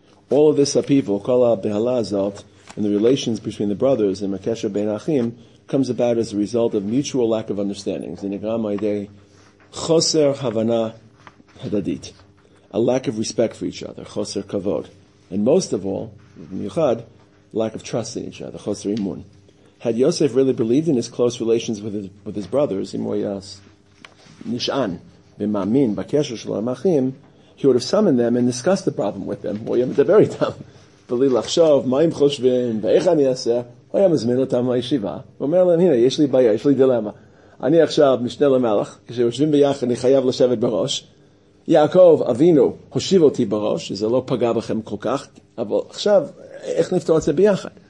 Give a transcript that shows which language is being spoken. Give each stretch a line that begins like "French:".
English: All of this upheaval,
Hebrew: כל הבהלה הזאת,
English: and the relations between the brothers, and
Hebrew: הקשר בין האחים,
English: comes about as a result of mutual lack of understanding.
Hebrew: זה נגרם על ידי חוסר הבנה הדדית.
English: A lack of respect for each other,
Hebrew: חוסר כבוד.
English: And most of all, במיוחד, lack of trust in each other,
Hebrew: חוסר אמון.
English: Had Yosef really believed in his close relations with his brothers,
Hebrew: אם הוא היה נשען ומאמין בקשר של המאחים,
English: he would have summoned them and discussed the problem with them.
Hebrew: הוא היה מדבר איתם, בלי לחשוב מה הם חושבים ואיך אני אעשה. הוא היה מזמין אותם לישיבה, ואומר להם, הנה, יש לי בעיה, יש לי דילמה. אני עכשיו משנה למלך, כשיושבים ביחד אני חייב לשבת בראש. יעקב, אבינו, הושיב אותי בראש, שזה לא פגע בכם כל כך, אבל עכשיו, איך נפתור את זה ביחד?